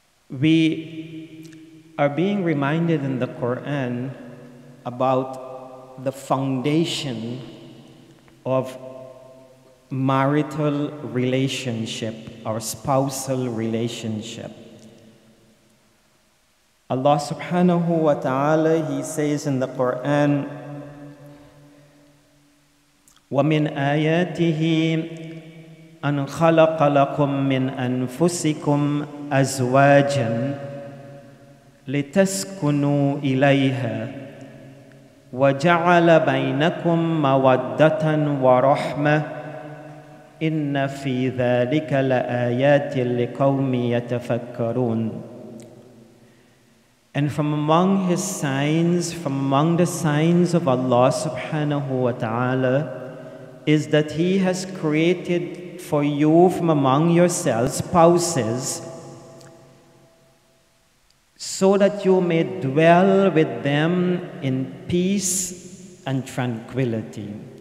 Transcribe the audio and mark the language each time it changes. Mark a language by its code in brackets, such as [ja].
[en] We are being reminded in the Quran about the foundation of marital relationship or spousal relationship. [ar] Allah subhanahu wa ta'ala, [en] He says in the Quran, [ar] وَمِنْ آيَاتِهِ أَنْ خَلَقَ لَكُمْ مِنْ أَنفُسِكُمْ أَزْوَاجًا لِتَسْكُنُوا إِلَيْهَا وَجَعَلَ بَيْنَكُمْ مَوَدَّةً وَرَحْمَةً إِنَّ فِي ذَلِكَ لَآيَاتٍ لِقَوْمٍ يَتَفَكَّرُونَ. [en] And from among His signs, from among the signs of Allah subhanahu wa ta'ala, is that He has created for you from among yourselves spouses so that you may dwell with them in peace and tranquility.